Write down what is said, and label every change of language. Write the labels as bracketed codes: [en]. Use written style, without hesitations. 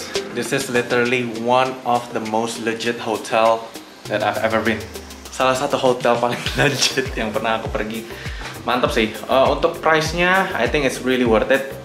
[en] This is literally one of the most legit hotel that I've ever been. [id] Salah satu hotel paling legit yang pernah aku pergi. Mantap sih. Untuk price-nya, [en] I think it's really worth it.